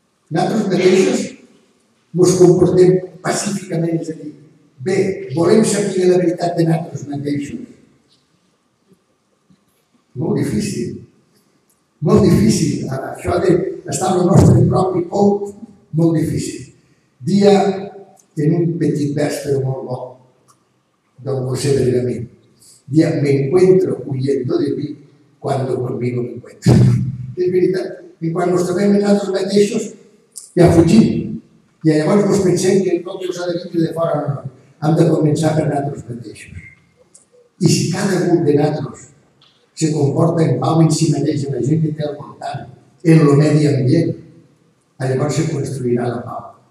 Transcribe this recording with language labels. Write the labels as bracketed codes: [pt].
[ca] Nosaltres mateixos ens comportem pacíficament, és a dir, bé, volem saber la veritat de nosaltres mateixos. Molt difícil. Molt difícil. Això d'estar en el nostre propi pou, molt difícil. Dia en un petit vers, però molt bo, del José de Ligament. [es] Ya me encuentro huyendo de mí cuando conmigo me encuentro. [ca] Es veritat. I quan nos trobem en altres mateixos, ja fugim. I llavors nos pensem que tot us ha de vindre de fora. No, no. Hem de començar per altres mateixos. I si cada un de nosaltres se comporta en pau en si mateix, amb la gent que té al voltant, en el medi ambient, llavors se construirà la pau.